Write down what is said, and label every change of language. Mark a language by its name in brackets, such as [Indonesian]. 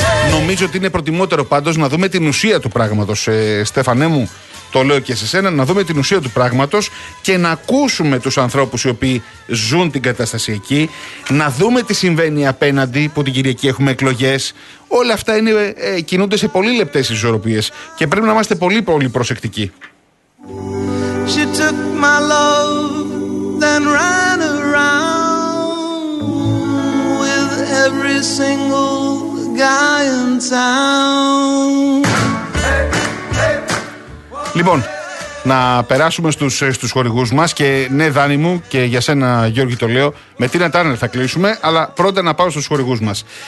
[Greek] Νομίζω ότι είναι προτιμότερο πάντως να δούμε την ουσία του πράγματος, Στέφανέ μου, το λέω και σε σένα, να δούμε την ουσία του πράγματος και να ακούσουμε τους ανθρώπους οι οποίοι ζουν την κατάσταση εκεί, να δούμε τι συμβαίνει απέναντι που την Κυριακή έχουμε εκλογές. Όλα αυτά είναι, κινούνται σε πολύ λεπτές ισορροπίες και πρέπει να είμαστε πολύ πολύ προσεκτικοί. [English] She took my love, then ran around with every single guy in town. [Greek] Λοιπόν, να περάσουμε στους χορηγούς μας. Και ναι, Δάνη μου, και για σένα Γιώργη το λέω, με Τίνα Τάρνερ θα κλείσουμε, αλλά πρώτα να πάω στους χορηγούς μας.